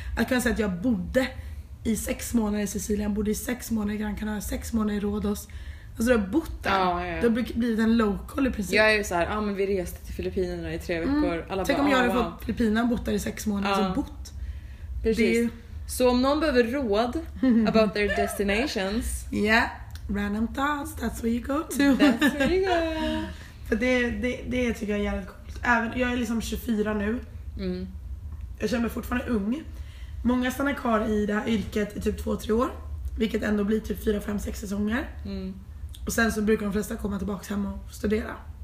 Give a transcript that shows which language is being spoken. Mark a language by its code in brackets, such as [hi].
[sv] Att kunna säga att jag bodde i 6 månader i Sicilien, bodde i 6 månader i Gran Canaria, 6 månader i Rhodos. Alltså du har bott där, du har blivit en local i princip. Jag är ju såhär, ja men vi reste till Filippinerna i 3 veckor. Alla tänk bara, om jag hade fått Filippinerna och bott där i 6 månader, alltså bott. Precis. Så om någon behöver råd [en] about their destinations. Yeah, random thoughts, that's where you go to. That's where you go. [sv] För det tycker jag är jävligt coolt. Även, jag är liksom 24 nu. Mm. Jag känner mig fortfarande ung. Många stannar kvar i det här yrket i typ 2-3 år. Vilket ändå blir typ 4-5-6 säsonger. Mm. Och sen så brukar de flesta komma tillbaka hem och studera.